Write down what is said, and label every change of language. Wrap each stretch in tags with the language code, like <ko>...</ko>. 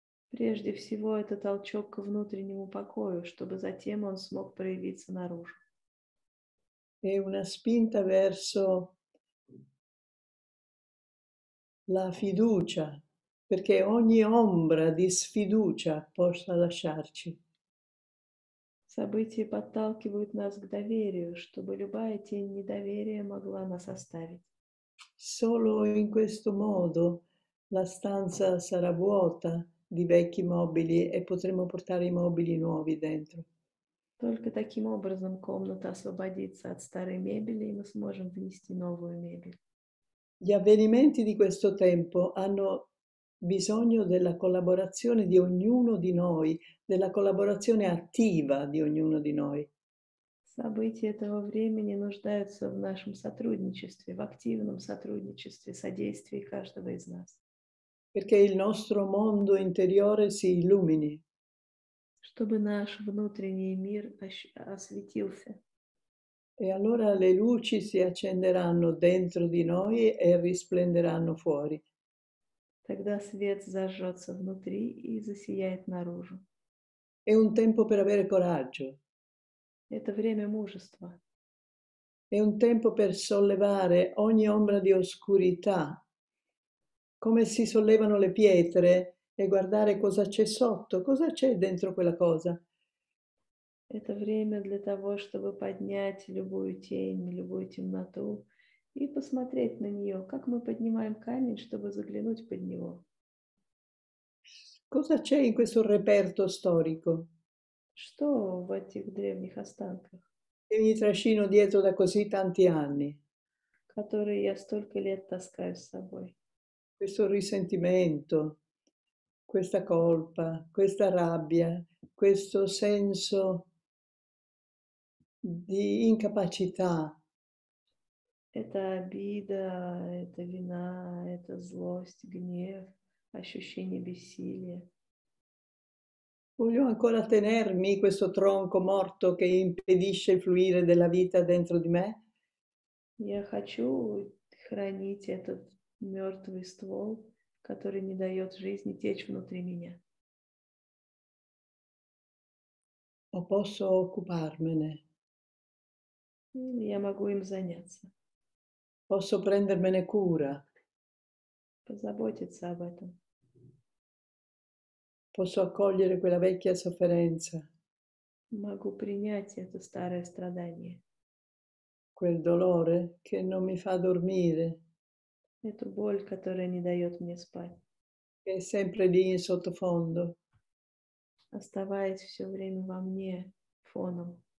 <ru>Прежде всего, это толчок к внутреннему покою, чтобы затем он смог проявиться наружу.</ru> <it>È una spinta verso la fiducia, perché ogni ombra di sfiducia possa lasciarci.</it> <ru>События подталкивают нас к доверию, чтобы любая тень недоверия могла нас оставить.</ru> <it>Solo in questo modo la stanza sarà vuota di vecchi mobili e potremo portare i mobili nuovi dentro.</it> <ru>Только таким образом комната освободится от старой мебели, и мы сможем внести новую мебель.</ru> <it>Gli avvenimenti di questo tempo hanno bisogno della collaborazione di ognuno di noi, della collaborazione attiva di ognuno di noi.</it> <ru>События этого времени нуждаются в нашем сотрудничестве, в активном сотрудничестве, содействии каждого из нас.</ru> <it>Perché il nostro mondo interiore si illumini.</it> <ru>Чтобы наш внутренний мир осветился.</ru> <it>E allora le luci si accenderanno dentro di noi e risplenderanno fuori.</it> <ru>Тогда свет зажжется внутри и засияет наружу.</ru> <it>È un tempo per avere coraggio.</it> <ru>Это время мужества.</ru> <it>È un tempo per sollevare ogni ombra di oscurità, come si sollevano le pietre e guardare cosa c'è sotto, cosa c'è dentro quella cosa.</it> <ru>Это время для того, чтобы поднять любую тень, любую темноту и посмотреть на нее, как мы поднимаем камень, чтобы заглянуть под него.</ru> <it>Cosa c'è in questo reperto storico?</it> <ru>Что в этих древних останках,</ru> <it>Che mi trascino dietro da così tanti anni?</it> <ru>которые я столько лет таскаю с собой?</ru> <it>Questo risentimento, questa colpa, questa rabbia, questo senso di incapacità.</it> <ru>Это обида, это вина, это злость, гнев, ощущение бессилия.</ru> <it>Voglio ancora tenermi questo tronco morto che impedisce il fluire della vita dentro di me?</it> <ru>Я хочу хранить этот мертвый ствол, который не дает жизни течь внутри меня.</ru> <it>O posso occuparmene?</it> <ru>Я могу им заняться.</ru> <it>Posso prendermene cura?</it> <ru>Позаботиться об этом.</ru> <it>Posso accogliere quella vecchia sofferenza,</it> <ru>Могу принять это старое страдание.</ru> <it>quel dolore che non mi fa dormire, Эту боль, которая не дает мне спать. che è sempre lì in sottofondo.</it> <ru>Оставаясь все время во мне, фоном.</ru>